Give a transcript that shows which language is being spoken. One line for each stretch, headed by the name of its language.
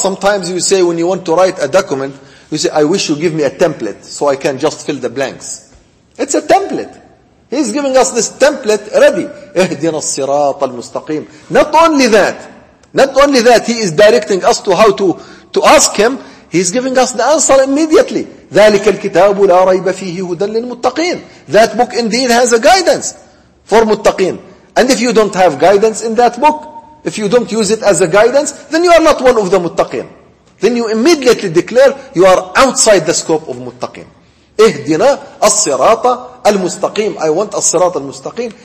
English: Sometimes you say when you want to write a document, you say, I wish you give me a template so I can just fill the blanks. It's a template. He's giving us this template ready.
Arabic: اهدنا الصراط المستقيم.
English: Not only that, He is directing us to how to ask Him. He's giving us the answer immediately.
Arabic: ذلك الكتاب لا ريب فيه هدى للمتقين.
English: That book indeed has a guidance for muttaqin. And if you don't have guidance in that book, if you don't use it as a guidance, then you are not one of the muttaqin. Then you immediately declare you are outside the scope of muttaqin.
Arabic: اهدنا الصراط المستقيم.
English: I want
Arabic: الصراط المستقيم.